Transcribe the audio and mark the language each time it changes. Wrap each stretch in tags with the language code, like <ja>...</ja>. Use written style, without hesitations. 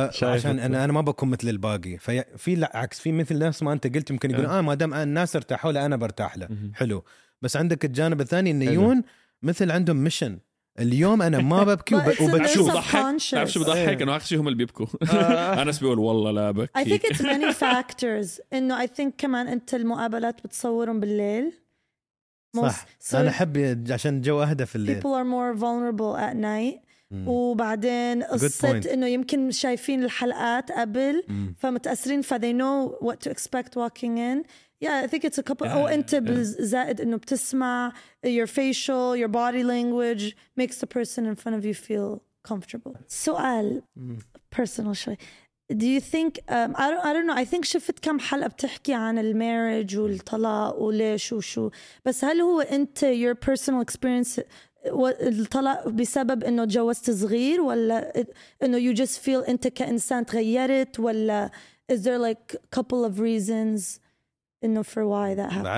<ar>عشان أنا ما بكون مثل الباقي. في العكس في مثل نفس ما أنت قلت يمكن يقول ما دام الناس ارتاحوا له أنا برتاح له حلو. بس عندك الجانب الثاني أن يون مثل عندهم ميشن اليوم أنا ما ببكي وبتشوف تعرف شو بضحك أنه أخشي هم اللي بيبكوا أنا بقول والله لا بكي</ar> <en>I think it's many factors أنه I think</en> <ar>كمان أنت المقابلات بتصورهم بالليل صح. أنا أحب عشان الجو أهدى في الليل.</ar> <en>People are more vulnerable at night.</en> <ar>وبعدين قصة إنه يمكن شايفين الحلقات قبل فمتأثرين ف</ar> <en>they know what to expect walking in. Yeah, I think it's a couple.</en> <ar>أو أنت زائد إنه بتسمع</ar> <en>your facial, your body language makes the person in front of you feel comfortable.</en> <ar>سؤال personal شوي.</ar> <en>Do you think I don't know I think</en> <ar>شفت كم حلقة بتحكي عن الماريج والطلاق وليش وشو, بس هل هو أنت</ar> <en>your personal experience</en> <ar>الطلاق بسبب إنه تجوزت صغير ولا إنه</ar> <en>you just feel</en> <ar>أنت كإنسان تغيرت ولا</ar> <en>is there like couple of reasons</en> <ar>إنه</ar> <en>for why that happened؟</en>